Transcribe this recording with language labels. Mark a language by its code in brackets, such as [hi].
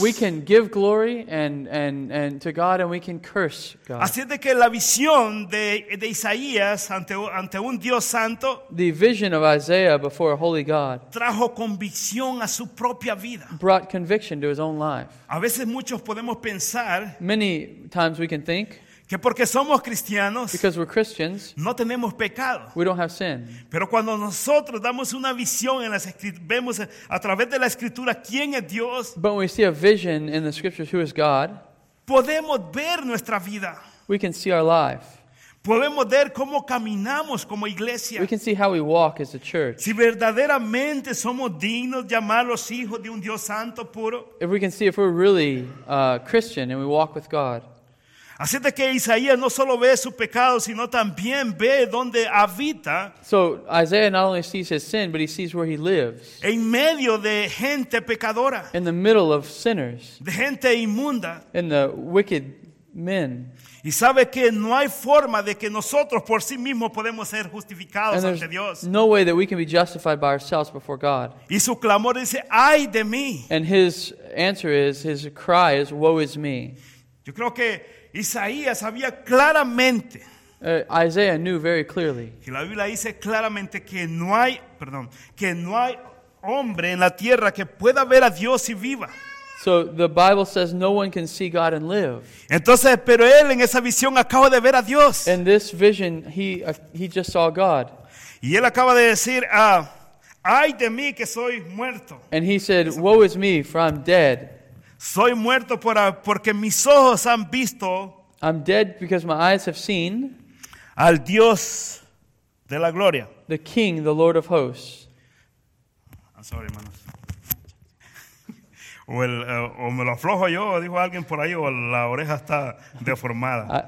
[en] We can give glory and to God, and we can curse God. [es] Así de que la visión de Isaías ante un Dios santo, [en] the vision of Isaiah before a holy God, [es] trajo convicción a su propia vida. [en] Brought conviction to his own life. [es] A veces muchos podemos pensar, [en] many times we can think, [es] que porque somos cristianos, [en] because we're Christians, [es] no tenemos pecado. [en] We don't have sin. [es] Pero cuando nosotros damos una visión en las escrituras, vemos a través de la escritura quién es Dios. [en] But when we see a vision in the scriptures who is God, [es] podemos ver nuestra vida. [en] We can see our life. [es] Podemos ver cómo caminamos como iglesia. [en] We can see how we walk as a church. [es] Si verdaderamente somos dignos de llamar los hijos de un Dios santo puro. [en] If we can see if we're really Christian and we walk with God. [es] Así de que Isaías no solo ve su pecado, sino también ve dónde habita. [en] So Isaiah not only sees his sin, but he sees where he lives. [es] En medio de gente pecadora. [en] In the middle of sinners. [es] De gente inmunda. [en] In the wicked men. [es] Y sabe que no hay forma de que nosotros por sí mismos podemos ser justificados [en] and [es] ante Dios. [en] No way that we can be justified by ourselves before God. [es] Y su clamor dice, ¡ay de mí! [en] And his answer is, his cry is, woe is me. [es] Yo creo que Isaías sabía claramente. [en] Isaiah knew very clearly. [es] Que la Biblia dice claramente que no hay, perdón, que no hay hombre en la tierra que pueda ver a Dios y viva. [en] So the Bible says no one can see God and live. [es] Entonces, pero él en esa visión acaba de ver a Dios. [en] In this vision he just saw God. [es] Y él acaba de decir, ay de mí que soy muerto. [en] And he said, woe is me, for I'm dead. [es] Soy muerto porque mis ojos han visto. [en] I'm dead because my eyes have seen. [es] al Dios de la gloria. [en] The King, the Lord of hosts. I'm sorry, hermanos. [es] O me lo aflojo yo, dijo alguien por ahí, o la oreja está deformada.